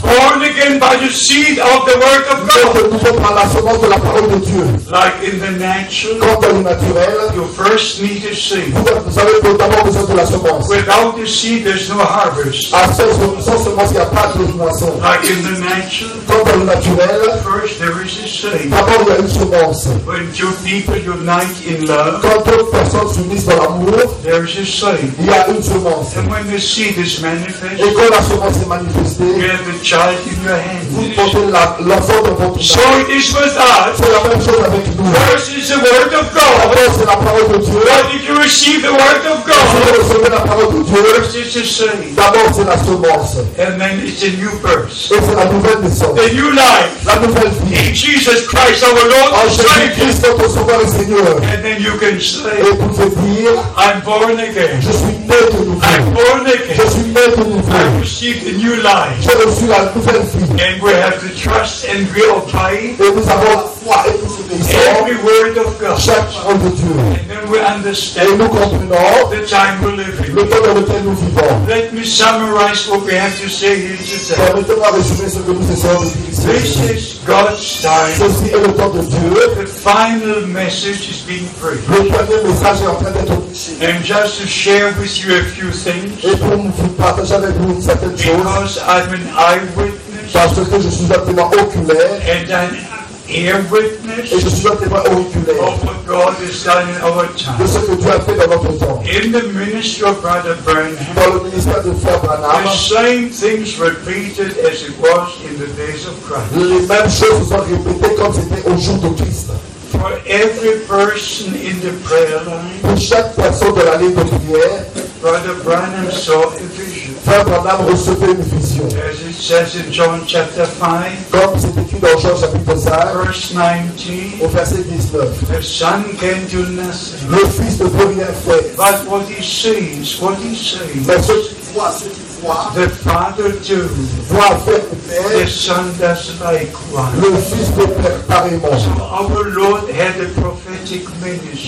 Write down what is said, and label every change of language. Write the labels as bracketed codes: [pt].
[en] Born again by the seed of the word of God. [fr] Nouveau par la semence de la parole de Dieu. [en] Like in the natural, [fr] quand dans le naturel, [en] you first need a seed. [fr] Vous avez d'abord besoin de la semence. [en] Without the seed, there's no harvest. [fr] Sans semence, il n'y a pas de moisson. [en] Like in the natural, [fr] quand dans le naturel, [en] first there is a seed. [fr] D'abord, il y a une semence. [en] When two people unite in love, [fr] quand deux personnes s'unissent dans l'amour, [en] there is a seed. [fr] Il y a une semence. [en] And when the seed is manifest, [fr] et quand la semence est manifestée. [en] You have a child in your hand. [fr] Vous portez la [en] so it is with us. [fr] C'est la même chose avec nous. [en] First is the word of God. [fr] D'abord, c'est la parole de Dieu. [en] But if you receive the word of God, [fr] si vous recevez la parole de Dieu, [en] first is the seed. [fr] D'abord, c'est la semence. [en] And then it's a new birth. [fr] Et c'est la nouvelle naissance. [en] The new life. [fr] La nouvelle vie. [en] In Jesus Christ, our Lord. [fr] En Jésus Christ, notre Sauveur et Seigneur. [en] And then you can say, [fr] et vous pouvez dire, [en] I'm born again. [fr] Je suis né de nouveau. [en] I'm born again. [fr] Je suis né de nouveau. [en] I received a new life. [fr] J'ai reçu la nouvelle vie. [en] And we have to trust and rely. [fr] Et nous avons la foi et nous obéissons. [en] Every the word of God. Church of the Jew. And then we understand. [fr] Et nous comprenons [en] the time we live in. [fr] Le temps dans lequel nous vivons. [en] Let me summarize what we have to say here today. [fr] Permettez-moi résumer ce que nous essayons de dire. [en] This is God's time. [fr] Ceci est le temps de Dieu. [en] The final message is being preached. [fr] Le dernier message est en train d'être prêché. [en] And just to share with you a few things. [fr] Et pour vous partager avec vous certaines choses. [en] Because I'm an eyewitness. [fr] Parce que je suis un témoin oculaire [en] and an ear witness [fr] et je suis un témoin oculaire [en] of what God has done in our time. [fr] De ce que Dieu a fait dans notre temps. [en] In the ministry of Brother Branham, [fr] dans le ministère de Frère Branham, [en] the same things repeated as it was in the days of Christ. [fr] Les mêmes choses sont répétées comme c'était au jour de Christ. [en] For every person in the prayer line, [fr] pour chaque personne de la ligne de prière, [en] Brother Branham saw a vision. [fr] Frère Branham recevait une vision. [en] As it says in John chapter 5, [fr] comme c'est écrit dans Jean chapitre 5, [en] verse 19, [fr] au verset 19, [en] the son can do nothing. [fr] Le fils ne peut rien faire. [en] But what he sees, [fr] mais ce qu'il voit, [en] the father do, [fr] voit faire le père, [en] the son does likewise. [fr] Le fils ne peut pareillement. [en] So our Lord had a prophetic ministry.